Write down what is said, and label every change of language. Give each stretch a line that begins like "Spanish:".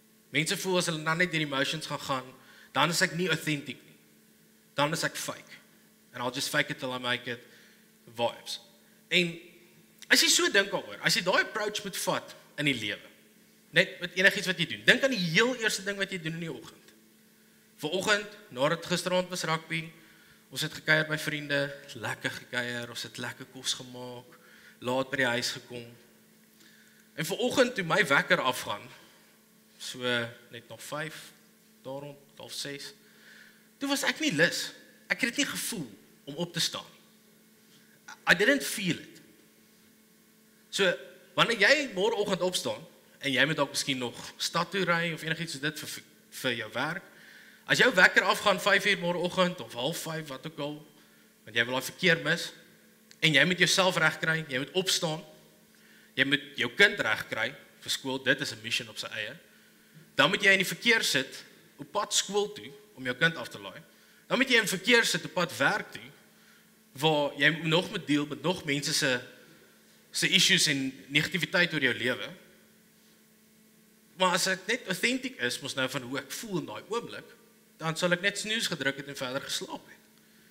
Afrikaans: Mense voel, as hulle dan net deur emotions gaan, dan is ek nie authentic nie. Dan is ek fake.
English: And I'll just fake it till I make it vibes.
Afrikaans: En as jy so dink al oor, as jy die approach moet vat in die lewe, net met enig iets wat jy doen, dink aan die heel eerste ding wat jy doen in die oggend. Vanoggend, nadat gisteraand was rugby, ons het gekuier by vriende, lekker gekuier, ons het lekker kos gemaak, laat by die huis gekom, en vanoggend toe my wekker afgaan, so net nog 5, daar rond, 5-6, toe was ek nie lus, ek het nie gevoel om op te staan,
English: I didn't feel it.
Afrikaans: So, wanneer jy môre oggend opstaan, en jy moet ook miskien nog stad toe ry, of enigiets soos dit vir jou werk, as jou wekker afgaan 5:00 môre oggend, of 4:30, wat ook al, want jy wil daai verkeer mis, en jy moet jouself regkry, jy moet opstaan, jy moet jou kind regkry vir skool, dit is 'n mission op sy eie, dan moet jy in die verkeer sit, op pad skool toe, om jou kind af te laai, dan moet jy in verkeer sit, op pad werk toe, waar jy nog moet deel met nog mense se issues en negativiteit oor jou lewe. Maar as ek net authentic is, mos nou van hoe ek voel in daai oomblik, dan sal ek net snoes gedruk het en verder geslaap het.